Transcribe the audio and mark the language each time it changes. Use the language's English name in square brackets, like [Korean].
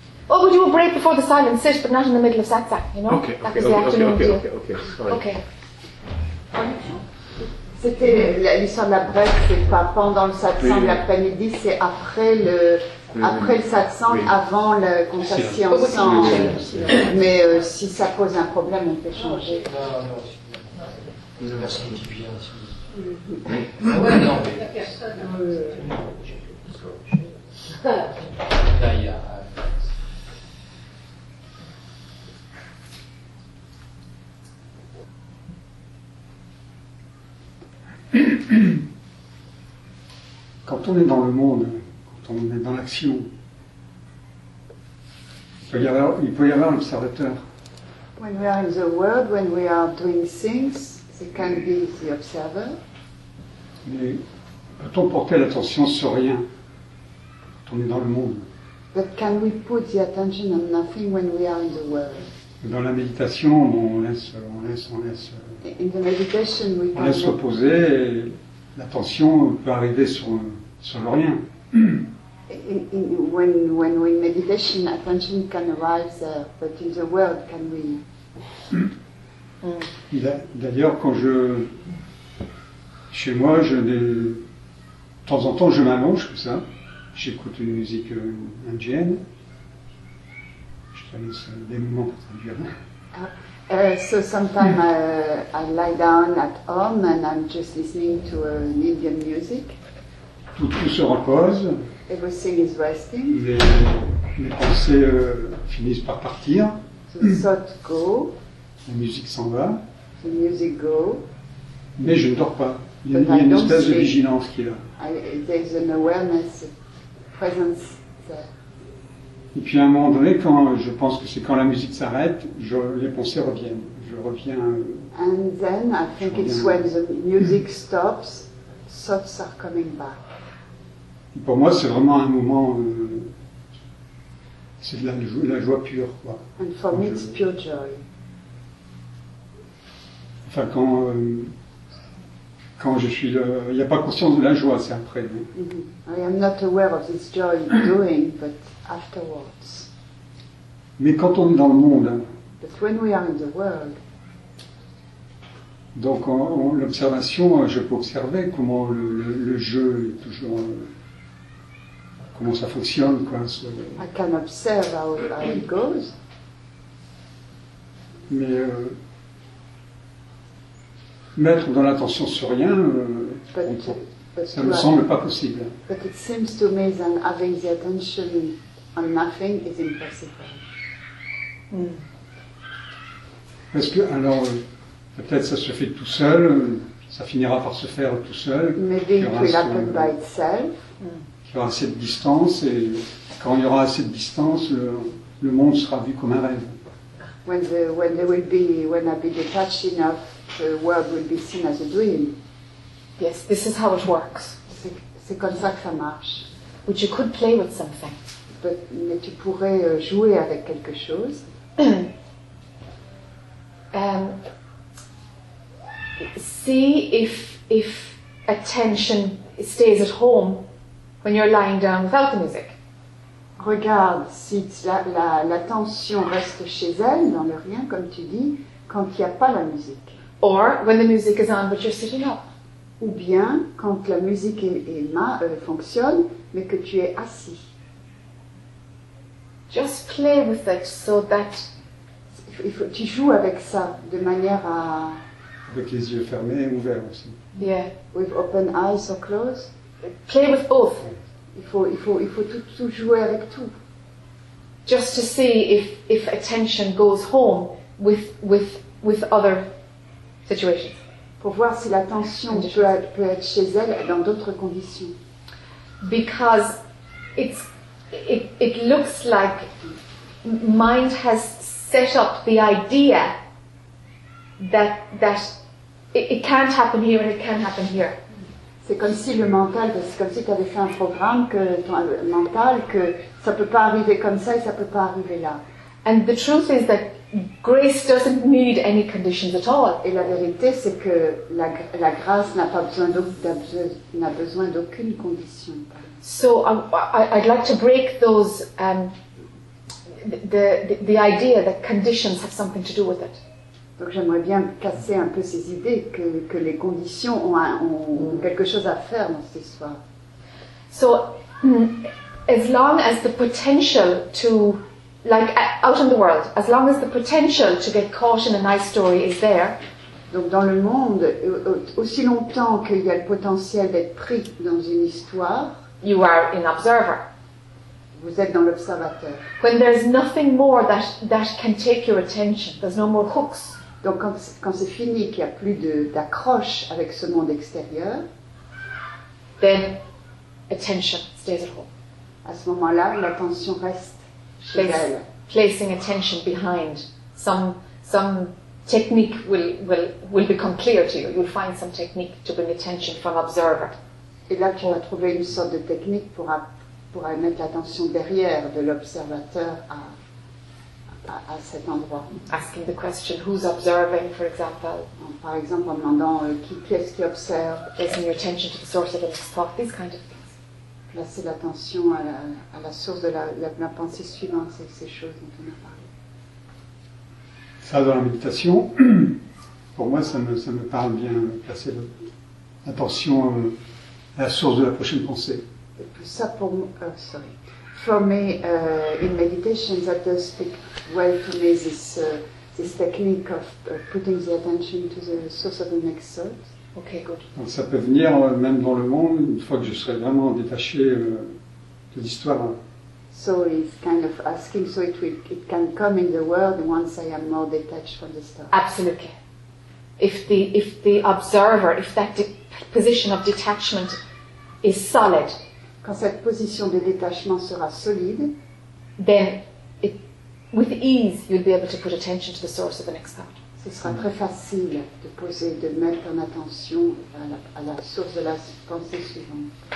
[English] Oh, we do a break before the silent sit, but not in the middle of satsang, you know? Okay, okay, that okay, the afternoon okay, okay, okay, okay, sorry. Okay. [French] C'était l'histoire de la break, c'est pas pendant le satsang, l'après-midi, c'est après le... Après le satsang, oui. Avant le, qu'on s'assied ensemble. Oui, oui, oui. Mais si ça pose un problème, on peut changer. Quand on est dans le monde, on est dans l'action. Il peut y avoir un observateur. [English] When we are in the world, when we are doing things, it can be the observer. [French] Mais peut-on porter l'attention sur rien quand on est dans le monde? [English] But can we put the attention on nothing when we are in the world? [French] Dans la méditation, on laisse. [English] In the meditation, we [French] on laisse reposer. Et l'attention peut arriver sur le rien. [English] When we meditation, attention can arise there, but in the world, can we? [French] D'ailleurs, quand je chez moi, je de temps en temps, je m'allonge comme ça. J'écoute une musique indienne. Je te laisse des moments pour traduire. [English] So sometimes I lie down at home and I'm just listening to an Indian music. [French] Tout se repose. [English] Everything is resting. [French] Les pensées finissent par partir. [English] The thought go. [French] La musique s'en va. [English] The music go. [French] Mais je ne dors pas. Il y a une espèce de vigilance qui est là. [English] There is an awareness, presence there. [French] Et puis à un moment donné, quand je pense que c'est quand la musique s'arrête, les pensées reviennent. Je reviens. [English] And then I think it's when the music stops, thoughts are coming back. [French] Et pour moi, c'est vraiment un moment, c'est de la joie pure, quoi. [English] And for me, it's pure joy. [French] Enfin, quand je suis, il n'y a pas conscience de la joie, c'est après. Mais... Mm-hmm. [English] I am not aware of this joy doing, but afterwards. [French] Mais quand on est dans le monde. [English] But when we are in the world. [French] Donc, l'observation, je peux observer comment le jeu est toujours. Comment ça fonctionne, quoi. [English] I can observe how it goes. [French] Mais mettre dans l'attention sur rien, ça ne me semble pas possible. [English] But it seems to me that having the attention on nothing is impossible. [French] Parce que, alors, peut-être ça se fait tout seul, ça finira par se faire tout seul. [English] Maybe it will happen by itself. [French] Il y aura assez de distance et quand il y aura assez de distance, le monde sera vu comme un rêve. [English] When I be detached enough, the world will be seen as a dream. Yes, this is how it works. [French] C'est comme ça que ça marche. [English] But you could play with something. [French] Mais tu pourrais jouer avec quelque chose. [English] See if attention stays at home. When you're lying down without the music. [French] Regarde si l'attention reste chez elle, dans le rien, comme tu dis, quand il n'y a pas la musique. [English] Or, when the music is on, but you're sitting up. [French] Ou bien, quand la musique fonctionne, mais que tu es assis. [English] Just play with it so that... [French] Tu joues avec ça, de manière à... Avec les yeux fermés et ouverts aussi. [English] Yeah. With open eyes or closed. Play with both. [French] Il faut tout jouer avec tout. [English] Just to see if attention goes home with other situations. [French] Pour voir si l'attention peut être chez elle dans d'autres conditions. [English] Because it looks like mind has set up the idea that it can't happen here and it can happen here. [French] C'est comme si le mental, c'est comme si tu avais fait un programme que ton mental, que ça ne peut pas arriver comme ça et ça ne peut pas arriver là. [English] And the truth is that grace doesn't need any conditions at all. [French] Et la vérité, c'est que la grâce n'a pas besoin d'aucune condition. [English] So I'd like to break those the idea that conditions have something to do with it. [French] Donc j'aimerais bien casser un peu ces idées que les conditions ont quelque chose à faire dans cette histoire. [English] So as long as the potential to, like out in the world, as long as the potential to get caught in a nice story is there. [French] Donc dans le monde, aussi longtemps qu'il y a le potentiel d'être pris dans une histoire. [English] You are an observer. [French] Vous êtes dans l'observateur. [English] When there's nothing more that can take your attention, there's no more hooks. [French] Donc quand c'est fini, qu'il n'y a plus d'accroche avec ce monde extérieur, [English] then attention stays at home. [French] À ce moment-là, l'attention reste chez elle. [English] Placing attention behind some technique will become clear to you. You'll find some technique to bring attention from observer. [French] Et là, tu vas trouver une sorte de technique pour mettre l'attention derrière de l'observateur à cet endroit. [English] Asking the question, who's observing, for example. [French] Par exemple, en demandant qui est-ce qui observe. [English] Placing your attention to the source of the thought, these kind of things. [French] Placer l'attention à la source de la pensée suivante, ces choses dont on a parlé. Ça, dans la méditation, pour moi, ça me parle bien, placer l'attention la source de la prochaine pensée. Ça pour moi, [English] for me, in meditation, that does speak well to me, this technique of putting the attention to the source of the next thought. Okay, good. [French] Donc ça peut venir même dans le monde, une fois que je serai vraiment détaché de l'histoire. [English] So it's kind of asking, so it can come in the world once I am more detached from the story. Absolutely. If the observer, if that position of detachment is solid, [French] quand cette position de détachement sera solide, [English] then with ease you'll be able to put attention to the source of the next thought. [French] Ce sera très facile de mettre en attention à la source de la pensée suivante.